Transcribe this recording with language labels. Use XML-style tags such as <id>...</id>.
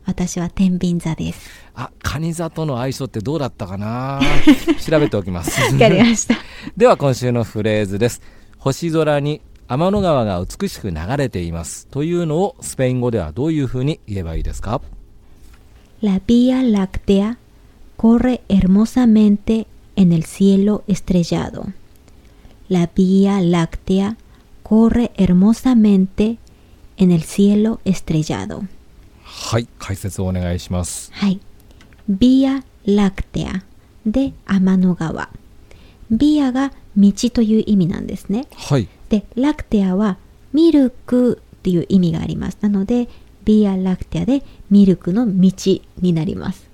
<ja>私は天秤座です。あ、蟹座との相性ってどうだったかな。調べておきます。わかりました。では今週のフレーズです。星空に天の川が美しく流れていますというのをスペイン語ではどういうふうに言えばいいですか？</ja> <es>La Vía Láctea corre hermosamente en el cielo estrellado. La Vía Láctea corre hermosamente en el cielo estrellado.</es> <ja>はい、解説をお願いします。はい、 Vía Láctea で天の川、 Vía が道という意味なんですね。はい。でラクテアはミルクっていう意味があります。なのでビアラクテアでミルクの道になります。</ja>